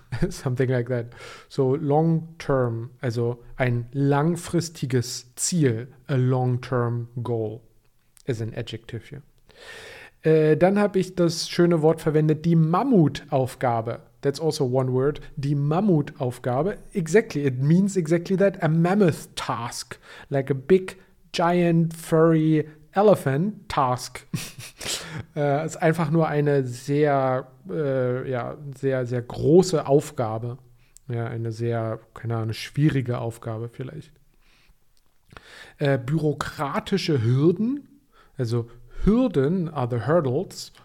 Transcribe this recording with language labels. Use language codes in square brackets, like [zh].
[en] Something like that. So long term, [de] also ein langfristiges Ziel, [en] a long term goal is an adjective here. [de] Dann habe ich das schöne Wort verwendet, die Mammutaufgabe. [en] That's also one word, [de] die Mammutaufgabe. [en] Exactly, it means exactly that, a mammoth task, like a big, giant, furry elephant task. [de] ist einfach nur eine sehr, sehr, sehr große Aufgabe. Ja, eine sehr, keine Ahnung, schwierige Aufgabe vielleicht. Bürokratische Hürden. Also Hürden [en] are the hurdles.